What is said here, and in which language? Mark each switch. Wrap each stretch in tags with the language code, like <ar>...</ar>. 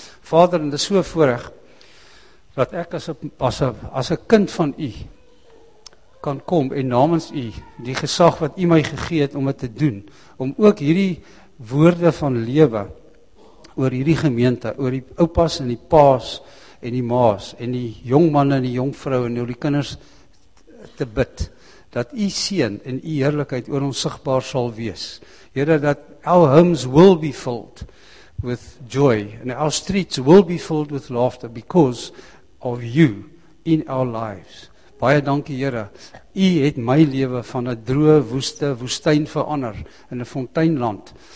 <af>Vader, en dis so voorreg dat ek as 'n kind van U kan kom en namens U die gesag wat U my gegee het om dit te doen, om ook hierdie woorde van lewe oor hierdie gemeente, oor die oupas en die paas en die maas en die jong manne en die jong vroue en oor die kinders te bid, dat U seën en U heerlikheid oor ons sigbaar sal wees.</af> <en>Here, dat our homes will be filled with joy and our streets will be filled with laughter because of You in our lives.</en> <af>Baie dankie, Here. U het my lewe van 'n droë woestyn verander in 'n fonteinland.</af>